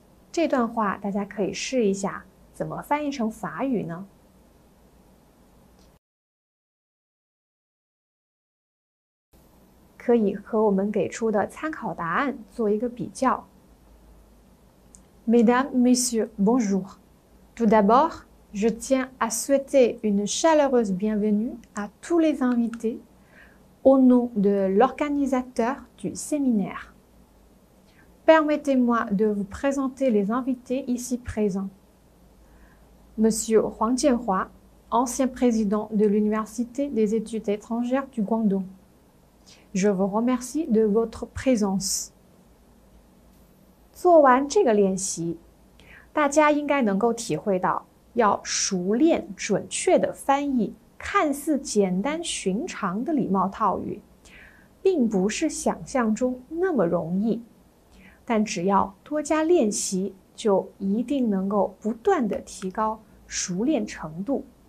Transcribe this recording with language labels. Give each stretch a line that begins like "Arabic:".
Chinese: 这段话大家可以试一下，怎么翻译成法语呢？可以和我们给出的参考答案做一个比较。
French: Mesdames, Messieurs, bonjour. Tout d'abord,Je tiens à souhaiter une chaleureuse bienvenue à tous les invités au nom de l'organisateur du séminaire. Permettez-moi de vous présenter les invités ici présents. Monsieur Huang Jianhua, ancien président de l'Université des études étrangères du Guangdong. Je vous remercie de votre présence.
Chinese: 做完这个练习，大家应该能够体会到要熟练准确地翻译看似简单寻常的礼貌套语，并不是想象中那么容易，但只要多加练习，就一定能够不断地提高熟练程度。